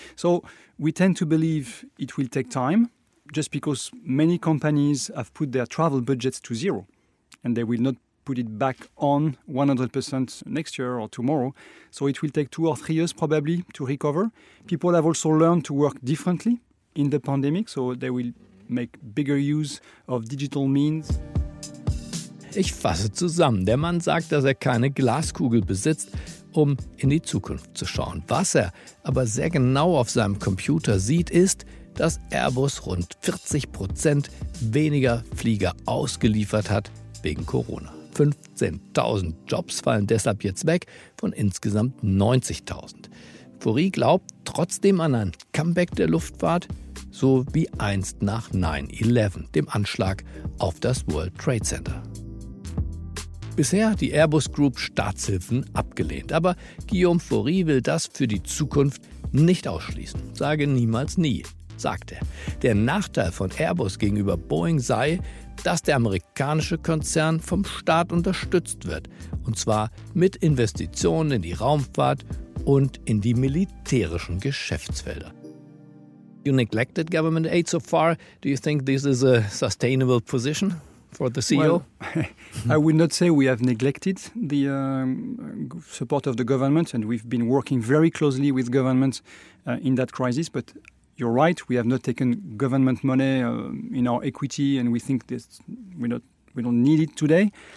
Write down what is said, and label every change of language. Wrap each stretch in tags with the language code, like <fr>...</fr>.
<en>So we tend to believe it will take time, just because many companies have put their travel budgets to zero, and they will not put it back on 100% next year or tomorrow. So it will take 2 or 3 years probably to recover. People have also learned to work differently in the pandemic, so they will make bigger use of digital means.</en> <de>Ich fasse zusammen. Der Mann sagt, dass er keine Glaskugel besitzt, um in die Zukunft zu schauen. Was er aber sehr genau auf seinem Computer sieht, ist, dass Airbus rund 40% weniger Flieger ausgeliefert hat wegen Corona. 15.000 Jobs fallen deshalb jetzt weg von insgesamt 90.000. Faurie glaubt trotzdem an ein Comeback der Luftfahrt, so wie einst nach 9/11, dem Anschlag auf das World Trade Center. Bisher hat die Airbus Group Staatshilfen abgelehnt, aber Guillaume Faurie will das für die Zukunft nicht ausschließen. Sage niemals nie, sagt er. Der Nachteil von Airbus gegenüber Boeing sei, dass der amerikanische Konzern vom Staat unterstützt wird, und zwar mit Investitionen in die Raumfahrt und in die militärischen Geschäftsfelder.</de> <en>You neglected government aid so far. Do you think this is a sustainable position for the CEO? Well, I would not say we have neglected the support of the government, and we've been working very closely with governments in that crisis. But you're right, we have not taken government money in our equity, and we think that we're not we don't need it today.</en>